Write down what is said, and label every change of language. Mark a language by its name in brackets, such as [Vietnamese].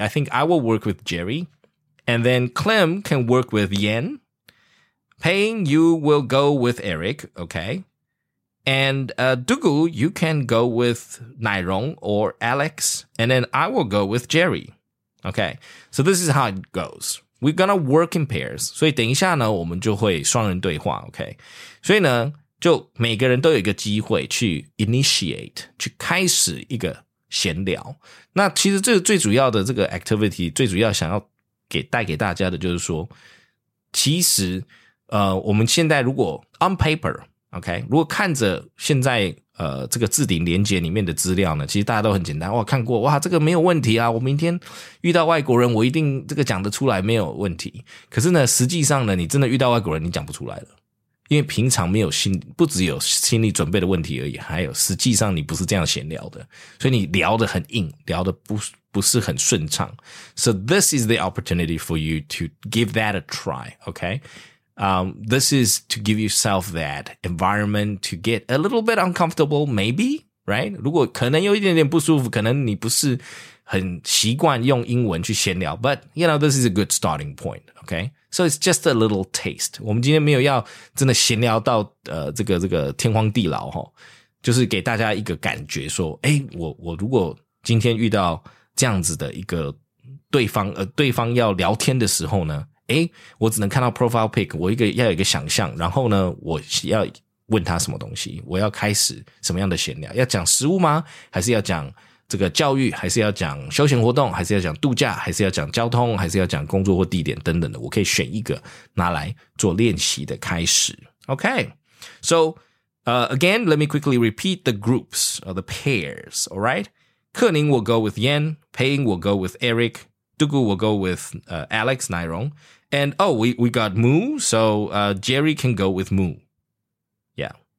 [English] I think I will work with Jerry, and then Clem can work with Yan. Peng, you will go with Eric, okay? And Dugu, you can go with Nairong or Alex, and then I will go with Jerry. Okay, so this is how it goes. We're gonna work in pairs. [Chinese] 所以等一下呢，我们就会双人对话。 Okay, 所以呢，就每个人都有一个机会去 initiate， 去开始一个闲聊。那其实这个最主要的这个 activity， 最主要想要给带给大家的就是说，其实我们现在如果 [English] on paper， [Chinese] okay， 如果看着现在。这个置顶连结里面的资料呢，其实大家都很简单，哇，看过，哇，这个没有问题啊，我明天遇到外国人我一定这个讲得出来，没有问题。可是呢，实际上呢，你真的遇到外国人你讲不出来了，因为平常没有心，不只有心理准备的问题而已，还有实际上你不是这样闲聊的，所以你聊得很硬，聊得不是很顺畅。 [English] So this is the opportunity for you to give that a try, okay? This is to give yourself that environment to get a little bit uncomfortable, maybe, right? [Chinese] 如果可能有一点点不舒服，可能你不是很习惯用英文去闲聊， [English] but, you know, this is a good starting point, okay? So it's just a little taste. [Chinese] 我们今天没有要真的闲聊到这个天荒地老齁，就是给大家一个感觉说，诶，我如果今天遇到这样子的一个对方要聊天的时候呢，诶，我只能看到 profile pic， 我一个要有一个想象，然后呢我要问他什么东西，我要开始什么样的闲聊，要讲食物吗，还是要讲这个教育，还是要讲休闲活动，还是要讲度假，还是要讲交通，还是要讲工作或地点等等的，我可以选一个拿来做练习的开始。 [English] OK, so again, let me quickly repeat the groups or the pairs, alright? 克宁 will go with Yan, Peng will go with EricDugu will go with Alex, Nairong. And, oh, we got Moo, so Jerry can go with Moo. Yeah.